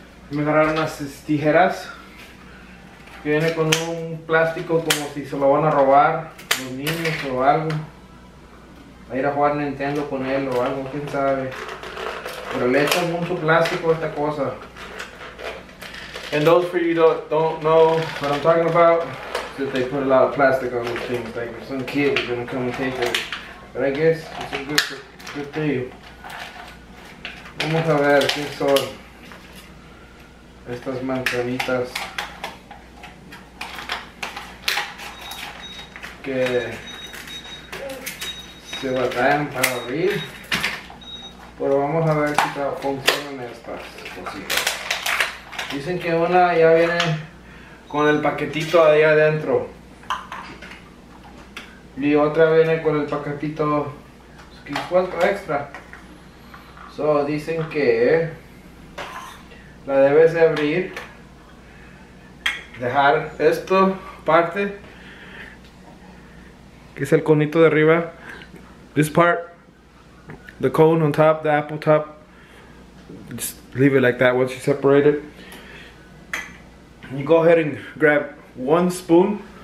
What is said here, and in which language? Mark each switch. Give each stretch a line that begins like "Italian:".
Spanish: Me agarraron unas tijeras. Que viene con un plástico como si se lo van a robar los niños o algo. A ir a jugar Nintendo con él o algo, quién sabe. Pero le echan mucho plástico a esta cosa.
English: And those for you that don't know what I'm talking about, that they put a lot of plastic on these things. Like some kid is gonna come and take it. But I guess it's a good thing.
Spanish: Vamos a ver qué son estas manzanitas. Que... se batallan para abrir, pero vamos a ver si funcionan estas cositas. Dicen que una ya viene con el paquetito ahí adentro y otra viene con el paquetito, 4 extra. So dicen que la debes de abrir, dejar esto parte que es el conito de arriba.
English: This part, the cone on top, the apple top, just leave it like that once you separate it. You go ahead and grab 1 spoon.